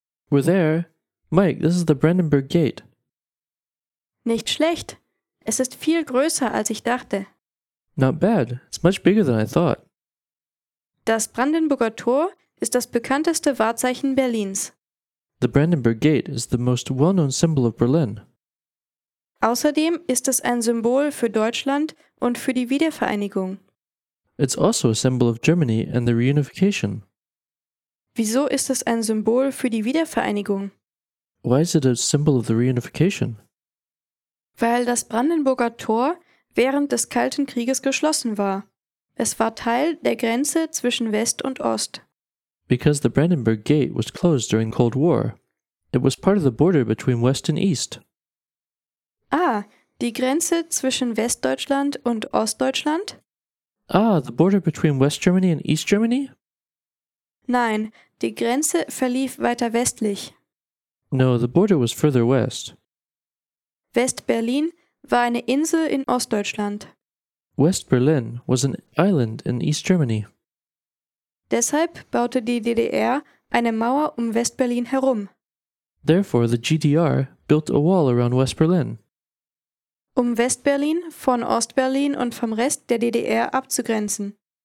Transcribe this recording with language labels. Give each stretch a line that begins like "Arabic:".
English: We're there. Mike, this is the Brandenburg Gate.
German: Nicht schlecht. Es ist viel größer, als ich dachte.
English: Not bad. It's much bigger than I thought.
German: Das Brandenburger Tor ist das bekannteste Wahrzeichen Berlins.
English: The Brandenburg Gate is the most well-known symbol of Berlin.
German: Außerdem ist es ein Symbol für Deutschland und für die Wiedervereinigung.
English: It's also a symbol of Germany and the reunification.
German: Wieso ist es ein Symbol für die Wiedervereinigung?
English: Why is it a symbol of the reunification?
German: Weil das Brandenburger Tor während des Kalten Krieges geschlossen war. Es war Teil der Grenze zwischen West und Ost.
English: Because the Brandenburg Gate was closed during the Cold War. It was part of the border between West and East.
German: Ah, die Grenze zwischen Westdeutschland und Ostdeutschland?
English: Ah, the border between West Germany and East Germany?
German: Nein, die Grenze verlief weiter westlich.
English: No, the border was further west.
German: West-Berlin war eine Insel in Ostdeutschland.
English: West-Berlin was an island in East Germany.
German: Deshalb baute die DDR eine Mauer um West-Berlin herum.
English: Therefore, the GDR built a wall around West-Berlin.
German: Um West-Berlin von Ost-Berlin und vom Rest der DDR abzugrenzen.